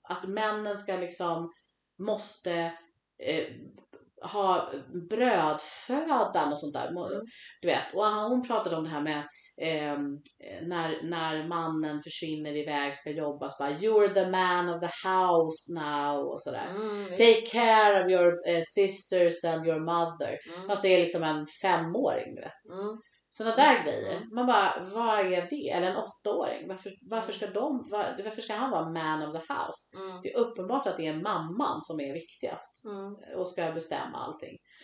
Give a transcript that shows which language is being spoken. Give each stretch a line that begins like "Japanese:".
Swedish: Att männen ska liksom, måste ha brödfödan och sånt där. Du vet, och hon pratade om det här med när mannen försvinner iväg ska jobba så bara,
English: you're the man of the house now
Swedish: och sådär.
English: Take care of your sisters and your mother.
Swedish: Fast det är liksom en femåring, vet. Sådana där grejer. Man bara, vad är det? Eller en åttaåring, varför ska han vara
English: man of the house?
Swedish: Det är uppenbart att det är mamman som är viktigast och ska bestämma allting.